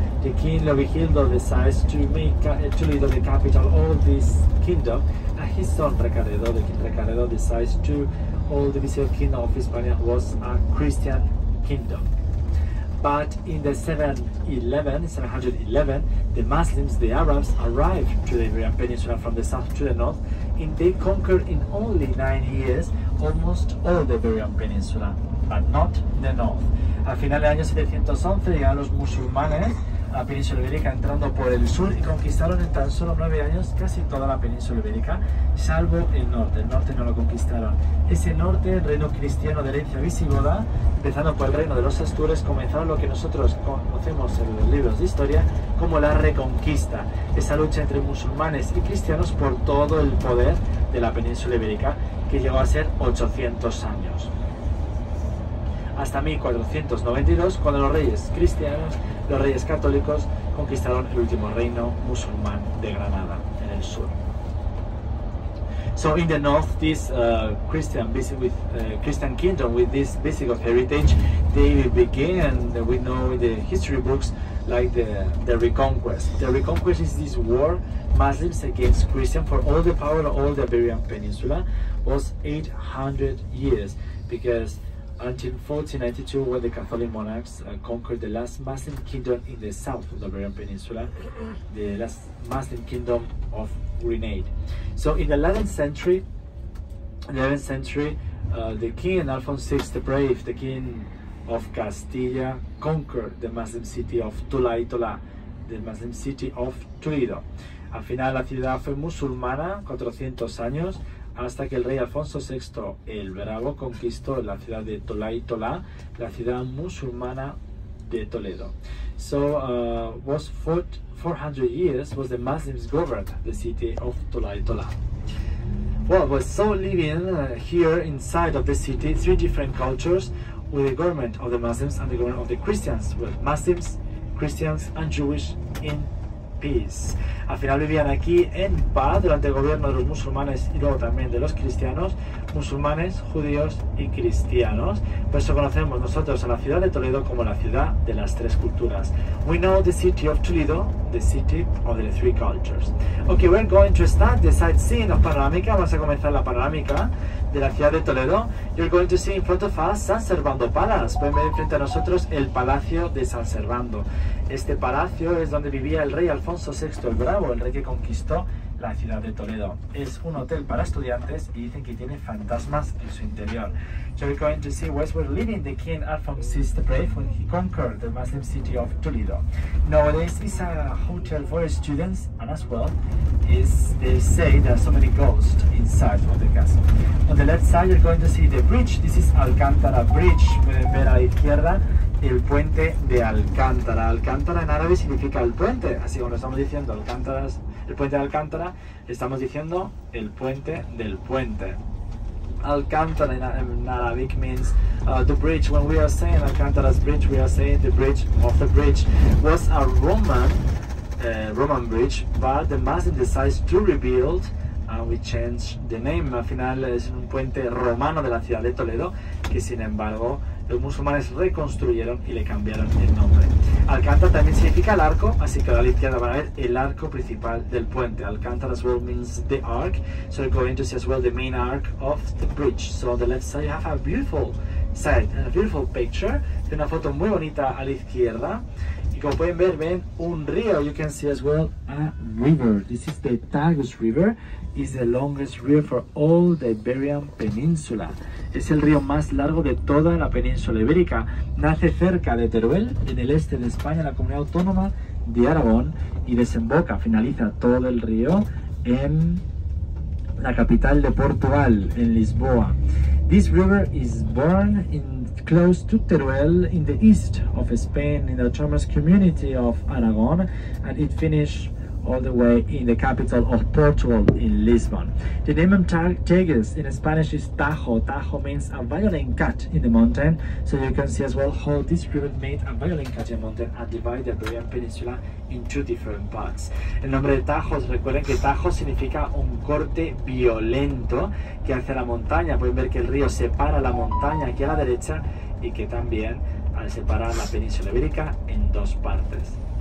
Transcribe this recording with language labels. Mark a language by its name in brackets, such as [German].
[English] The king Leovigildo decides to make Toledo the capital of this kingdom, and his son Recaredo, the king Recaredo, decides to hold the Visigoth Kingdom of Hispania was a Christian kingdom. But in the 711, the Muslims, the Arabs, arrived to the Iberian Peninsula from the south to the north, and they conquered in only 9 years almost all the Iberian Peninsula, but not the north. [Spanish] A finales del año 711 llegaron los musulmanes a la península ibérica entrando por el sur y conquistaron en tan solo 9 años casi toda la península ibérica, salvo el norte. El norte no lo conquistaron. Ese norte, el reino cristiano de herencia visigoda, empezando por el reino de los Astures, comenzaron lo que nosotros conocemos en los libros de historia como la Reconquista, esa lucha entre musulmanes y cristianos por todo el poder de la península ibérica, que llegó a ser 800 años. Hasta 1492, cuando los reyes católicos conquistaron el último reino musulmán de Granada, en el sur. [English] So in the north, this Christian kingdom with this Visigoth heritage, they begin, and we know in the history books, like the Reconquest. The Reconquest is this war, Muslims against Christians, for all the power of all the Iberian Peninsula, was 800 years, because until 1492, when the Catholic monarchs conquered the last Muslim kingdom in the south of the Iberian Peninsula, the last Muslim kingdom of Granada. So in the 11th century, the king Alfonso VI the Brave, the king of Castilla, conquered the Muslim city of Tula, the Muslim city of Toledo. [Spanish] Al final, la ciudad fue musulmana 400 años, hasta que el rey Alfonso VI el Bravo conquistó la ciudad de Tolaitola, la ciudad musulmana de Toledo. [English] So was 400 years was the Muslims governed the city of Tolaitola. Well, was so living here inside of the city three different cultures, with the government of the Muslims and the government of the Christians, with Muslims, Christians and Jewish in peace. [Spanish] Al final vivían aquí en paz durante el gobierno de los musulmanes y luego también de los cristianos, musulmanes, judíos y cristianos. Por eso conocemos nosotros a la ciudad de Toledo como la ciudad de las tres culturas. [English] We know the city of Toledo, the city of the three cultures. Okay, we're going to start the sightseeing of panorámica. [Spanish] Vamos a comenzar la panorámica de la ciudad de Toledo. [English] You're going to see in front of us San Servando Palace. [Spanish] Pueden ver frente a nosotros el palacio de San Servando. Este palacio es donde vivía el rey Alfonso VI el Bravo, el rey que conquistó la ciudad de Toledo. Es un hotel para estudiantes y dicen que tiene fantasmas en su interior. [English] So we're going to see where we're living the king Alfonso VI the Brave when he conquered the Muslim city of Toledo. Nowadays it's a hotel for students, and as well is they say there are so many ghosts inside of the castle. On the left side you're going to see the bridge. This is Alcántara Bridge. [Spanish] Pueden ver a la izquierda el puente de Alcántara. Alcántara en árabe significa el puente, así como lo estamos diciendo, Alcántara, el puente de Alcántara, estamos diciendo el puente del puente. [English] Alcántara en Arabic means the bridge. When we are saying Alcántara's bridge, we are saying the bridge of the bridge. Was a Roman bridge, but the Muslim decides to rebuild and we change the name. [Spanish] Al final es un puente romano de la ciudad de Toledo, que sin embargo los musulmanes reconstruyeron y le cambiaron el nombre. Alcántara también significa el arco, así que a la izquierda van a ver el arco principal del puente. [English] Alcántara as well means the arc, so we're going to see as well the main arc of the bridge. So on the left side you have a beautiful sight, a beautiful picture, [Spanish] de una foto muy bonita a la izquierda. Y como pueden ver, ven un río. [English] You can see as well a river. This is the Tagus River. It's the longest river for all the Iberian Peninsula. [Spanish] es el río más largo de toda la península ibérica. Nace cerca de Teruel, en el este de España, en la comunidad autónoma de Aragón, y desemboca, finaliza todo el río en la capital de Portugal, en Lisboa. [English] This river is born in close to Teruel, in the east of Spain, in the autonomous community of Aragon, and it finishes all the way in the capital of Portugal, in Lisbon. The name of Tagus in Spanish is Tajo. Tajo means a violin cut in the mountain, so you can see as well how this river made a violin cut in the mountain and divide the Iberian Peninsula in two different parts. [Spanish] El nombre de Tajos, recuerden que Tajo significa un corte violento que hace la montaña. Pueden ver que el río separa la montaña aquí a la derecha y que también separa la península ibérica en dos partes.